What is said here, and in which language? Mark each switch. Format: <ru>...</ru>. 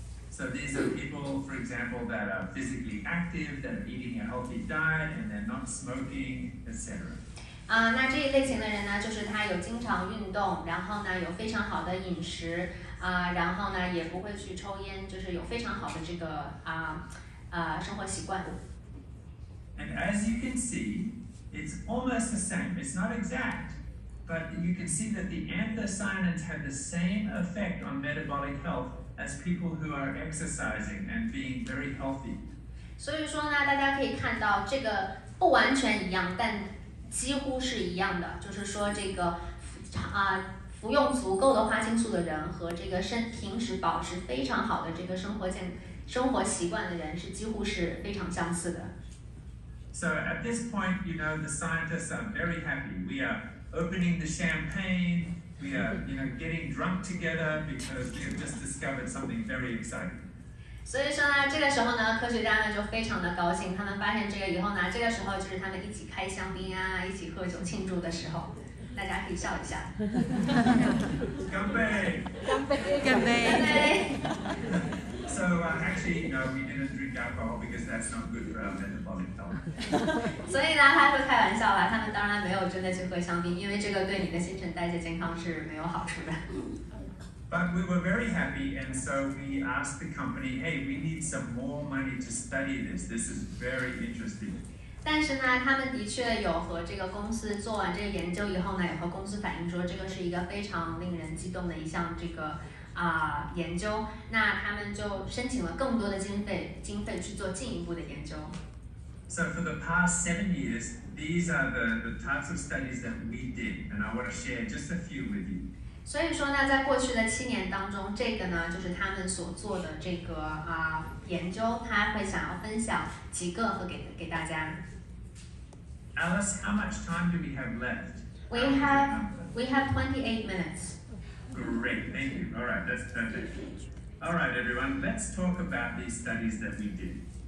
<en>So these are people, for example, that are physically active, that are eating a healthy diet, and they're not smoking, etc.</en> <zh>那这一类型的人呢，就是他有经常运动，然后呢有非常好的饮食，然后呢也不会去抽烟，就是有非常好的这个生活习惯。</zh> <en>And as you can see, it's almost the same. It's not exact, but you can see that the anthocyanins have the same effect on metabolic health. As people who are exercising and being very healthy.</en> <zh>所以说呢，大家可以看到这个不完全一样，但几乎是一样的。就是说，这个服用足够的花青素的人和这个平时保持非常好的这个生活习惯的人是几乎是非常相似的。</zh> <en>So at this point, you know, the scientists are very happy. We are opening the champagne. We are, you know, getting drunk together because we have just discovered something very exciting.</en> <zh>所以说呢，这个时候呢，科学家呢就非常的高兴。他们发现这个以后呢，这个时候就是他们一起开香槟啊，一起喝酒庆祝的时候，大家可以笑一下。干杯！干杯！干杯！干杯！</zh> <en>So actually, no, we didn't drink alcohol because that's not good for our metabolic health.</en> <zh>所以呢，他会开玩笑啦。他们当然没有真的去喝香槟，因为这个对你的新陈代谢健康是没有好处的。</zh> <en>But we were very happy, and so we asked the company, "Hey, we need some more money to study this. This is very interesting."</en> <zh>但是呢，他们的确有和这个公司做完这个研究以后呢，有和公司反映说，这个是一个非常令人激动的一项这个。研究，那他们就申请了更多的经费去做进一步的研究。</zh> <en>So for the past 7 years, these are the types of studies that we did, and I want to share just a few with you.</en> <zh>所以说呢，在过去的七年当中，这个呢就是他们所做的这个研究，他会想要分享几个和给大家。</zh> <en>Alice, how much time do we have left? We have 28 minutes. Great, thank you. All right, that's perfect. All right, everyone, let's talk about these studies that we did.</en>